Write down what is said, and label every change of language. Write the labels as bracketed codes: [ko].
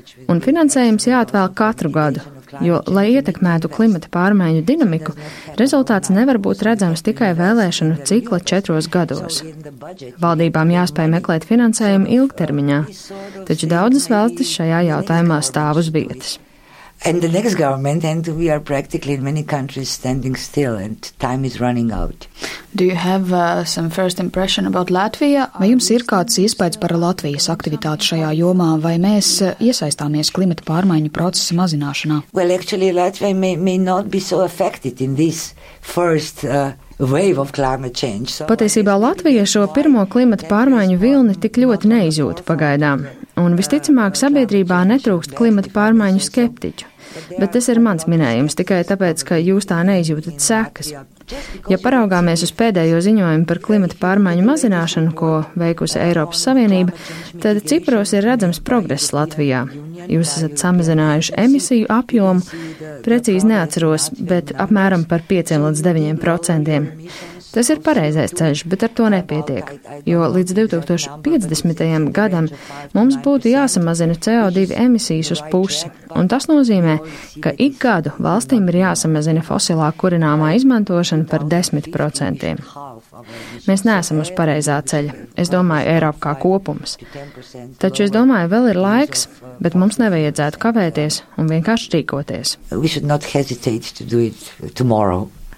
[lv] Un finansējums jāatvēl katru gadu, jo, lai ietekmētu klimata pārmaiņu dinamiku, rezultāts nevar būt redzams tikai vēlēšanu cikla 4 gados. Valdībām jāspēj meklēt finansējumu ilgtermiņā, taču daudzas valstis šajā jautājumā stāv uz vietas. [en] And the next government, and we are practically in many countries standing still, and time is running out. Do you have some first impression about Latvia? [lv] Vai jums ir kāds iespaids par Latvijas aktivitāti šajā jomā, vai mēs iesaistāmies klimata pārmaiņu procesa mazināšanā? [en] Well, actually, Latvia may not be so affected in this first wave of climate change. So [lv] patiesībā Latvija šo pirmo klimata pārmaiņu vilni tik ļoti neizjūt pagaidām. Un visticamāk sabiedrībā netrūkst klimata pārmaiņu skeptiķu. Bet tas ir mans minējums tikai tāpēc, ka jūs tā neizjūtat sekas. Ja paraugāmies uz pēdējo ziņojumu par klimata pārmaiņu mazināšanu, ko veikusi Eiropas Savienība, tad cipros ir redzams progress Latvijā. Jūs esat samazinājuši emisiju apjomu, precīzi neatceros, bet apmēram par 5% līdz 9%. Tas ir pareizais ceļš, bet ar to nepietiek, jo līdz 2050. Gadam mums būtu jāsamazina CO2 emisijas uz pusi, un tas nozīmē, ka ik gadu valstīm ir jāsamazina fosilā kurināmā izmantošana par 10%. Mēs neesam uz pareizā ceļa, es domāju, Eiropa kā kopums. Taču es domāju, vēl ir laiks, bet mums nevajadzētu kavēties un vienkārši rīkoties. [en] We should not hesitate to do it tomorrow.